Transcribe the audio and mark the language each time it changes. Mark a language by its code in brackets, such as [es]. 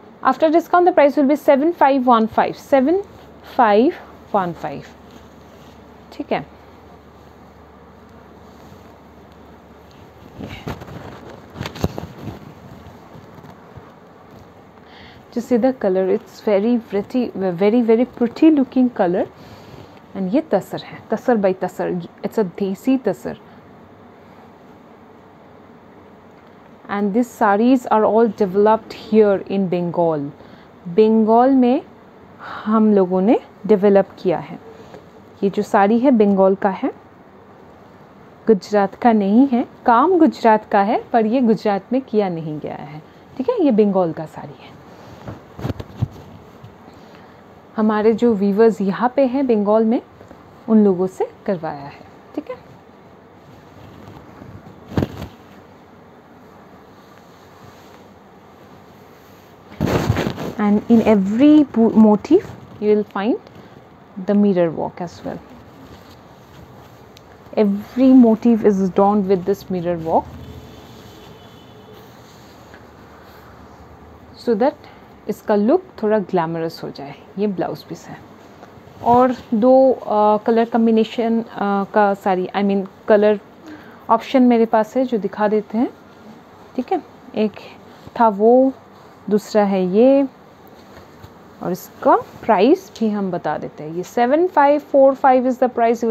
[en] After discount the price will be 7515, 7515, [hi] theek hai. [en] See the color, it's very pretty, very very pretty looking color, [hi] and ये तसर है, तसर by tasar, [en] it's a [hi] देसी तसर. [en] And this saris are all developed here in Bengal. [hi] Bengal में हम लोगों ने develop किया है ये जो साड़ी है, बंगाल का है, गुजरात का नहीं है. काम गुजरात का है पर ये गुजरात में किया नहीं गया है, ठीक है. ये बंगाल का साड़ी है. हमारे जो वीवर्स यहाँ पे हैं बंगाल में, उन लोगों से करवाया है, ठीक है. [en] And in every motif you will find the mirror work as well. Every motif is adorned with this mirror work, so that [hi] इसका look थोड़ा glamorous हो जाए. ये blouse piece है और दो color combination का सारी, [en] I mean color option [hi] मेरे पास है जो दिखा देते हैं, ठीक है. एक था वो, दूसरा है ये, और इसका प्राइस भी हम बता देते हैं. ये 7545 [en] Is the price.